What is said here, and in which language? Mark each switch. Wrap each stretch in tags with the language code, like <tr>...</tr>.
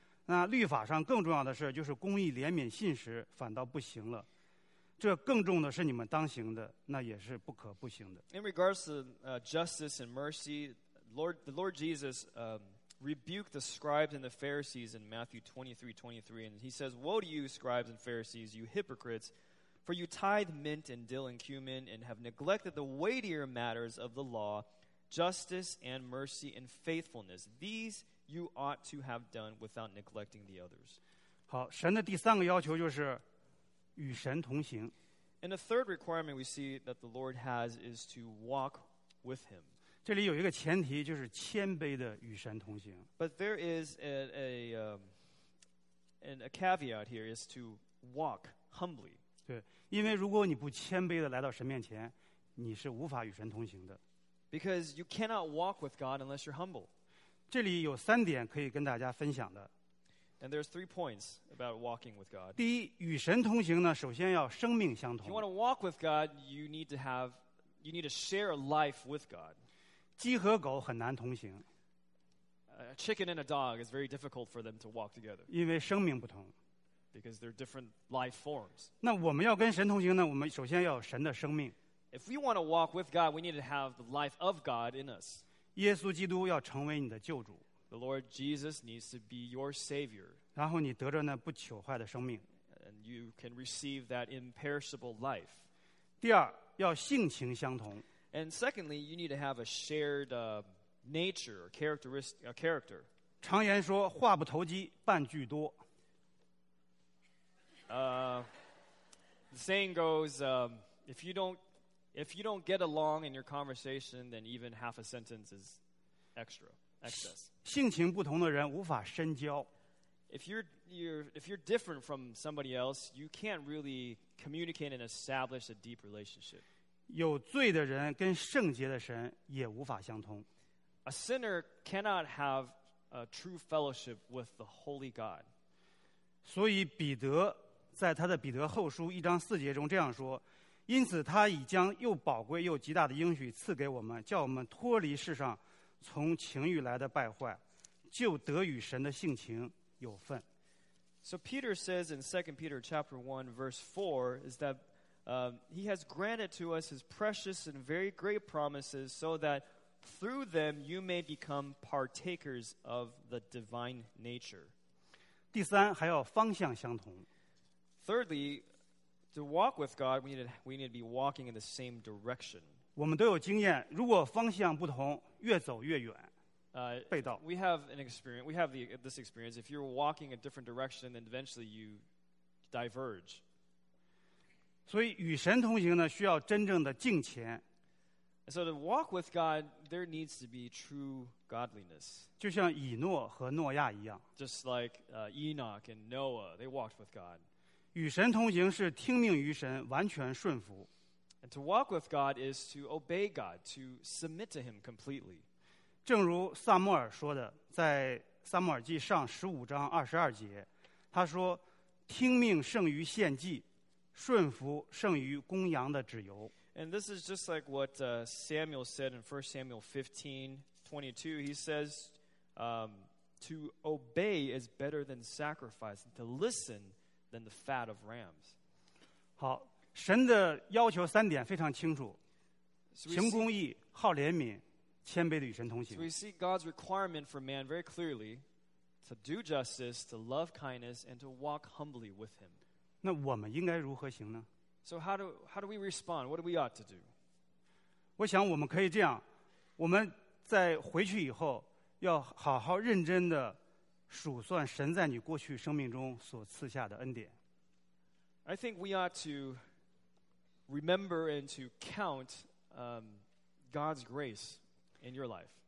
<zh>那律法上更重要的事就是公义、怜悯、信实，反倒不行了。” 这更重的是你们当行的，那也是不可不行的。</zh> <en>In regards to justice and mercy, the Lord Jesus rebuked the scribes and the Pharisees in Matthew 23:23, and he says, "Woe to you, scribes and Pharisees, you hypocrites! For you tithe mint and dill and cumin, and have neglected the weightier matters of the law, justice and mercy and faithfulness. These you ought to have done without neglecting the others."</en> <zh>好，神的第三个要求就是。与神同行。</zh> <en>And the third requirement we see that the Lord has is to walk with him.</en> <zh>这里有一个前提就是谦卑的与神同行。</zh> <en>But there is a caveat here is to walk humbly.</en> <zh>对，因为如果你不谦卑的来到神面前，你是无法与神同行的。</zh> <en>Because you cannot walk with God unless you're humble.</en> <zh>这里有三点可以跟大家分享的。</zh> <en>And there's three points about walking with God.</en> <zh>第一，与神同行呢，首先要生命相同。</zh> <en>If you want to walk with God, you need to share a life with God.</en> <zh>鸡和狗很难同行。</zh> <en>A chicken and a dog is very difficult for them to walk together.</en> <zh>因为生命不同。</zh> <en>Because they're different life forms.</en> <zh>那我们要跟神同行呢，我们首先要有神的生命。</zh> <en>If we want to walk with God, we need to have the life of God in us.</en> <zh>耶稣基督要成为你的救主。</zh> <en>The Lord Jesus needs to be your Savior.</en> <zh>然后你得着那不朽坏的生命。</zh> <en>And you can receive that imperishable life.</en> <zh>第二，要性情相同。</zh> <en>And secondly, you need to have a shared nature or character.</en> <zh>常言说，话不投机，半句多。</zh> <en>The saying goes, if you don't get along in your conversation, then even half a sentence is excess.</en> <zh>性情不同的人无法深交。</zh> <en>If you're different from somebody else, you can't really communicate and establish a deep relationship.</en> <zh>有罪的人跟圣洁的神也无法相通。</zh> <en>A sinner cannot have a true fellowship with the Holy God.</en> <zh>所以彼得在他的彼得后书一章四节中这样说。因此他已将又宝贵又极大的应许赐给我们，叫我们脱离世上从情欲来的败坏，就得与神的性情有份。</zh> <en>So Peter says in 2 Peter chapter 1 verse 4 is that he has granted to us his precious and very great promises so that through them you may become partakers of the divine nature.</en> <zh>第三，还要方向相同。</zh> <en>Thirdly,To walk with God, we need to be walking in the same direction.</en> <zh>我们都有经验，如果方向不同，越走越远，背道。</zh> <en>We have an experience. We have this experience. If you're walking a different direction, then eventually you diverge.</en> <zh>所以与神同行呢，需要真正的敬虔。</zh> <en>So to walk with God, there needs to be true godliness.</en> <zh>就像以诺和诺亚一样。</zh> <en>Just like Enoch and Noah, they walked with God.</en> <zh>与神同行是听命于神，完全顺服。</zh> <en>And to walk with God is to obey God, to submit to Him completely.</en> <zh>正如撒母耳说的，在撒母耳记上十五章二十二节，他说：“听命胜于献祭，顺服胜于公羊的脂油。”</zh> <en>And this is just like what Samuel said in 1 Samuel 15:22. He says, "To obey is better than sacrifice, to listen." Than the fat of rams.</en> <zh>好，神的要求三点非常清楚：行公义、好怜悯、谦卑的与神同行。</zh> <en>So we see God's requirement for man very clearly: to do justice, to love kindness, and to walk humbly with Him.</en> <zh>那我们应该如何行呢</zh> <en>？So how do we respond? What do we ought to do?</en> <zh>我想我们可以这样：我们在回去以后，要好好认真的。数算神在你过去生命中所赐下的恩典。</zh> <en>I think we ought to remember and to count God's grace in your life.</en>